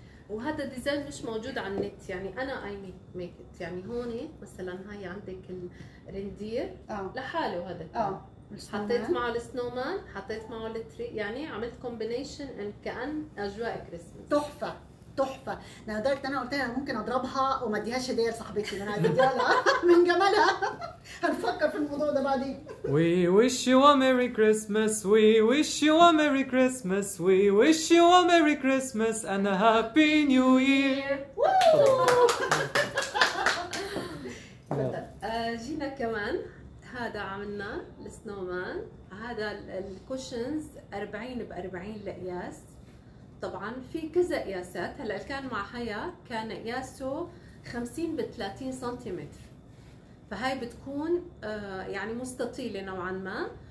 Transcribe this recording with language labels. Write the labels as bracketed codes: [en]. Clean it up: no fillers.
[ar] وهذا الديزاين مش موجود على النت. يعني انا [en] اي make it, [ar] يعني هون مثلا هاي عندك الرندير لحاله هذا، حطيت معه السنومان، حطيت معه التري، يعني عملت كومبينيشن كان اجواء كريسمس. تحفه تحفه. انا قلت انا قلت لها ممكن اضربها وما اديهاش هديه لصاحبتي، انا هديها من جمالها. هنفكر في الموضوع ده بعدين. [en] We wish you a merry Christmas. We wish you a merry Christmas. We wish you a merry Christmas and a happy new year. [ar] جينا كمان هذا عملنا السنومان، هذا الكوشنز 40x40 لقياس. طبعا في كذا قياسات. هلا كان مع حياة كان قياسه 50x30 سنتيمتر، فهاي بتكون يعني مستطيلة نوعا ما.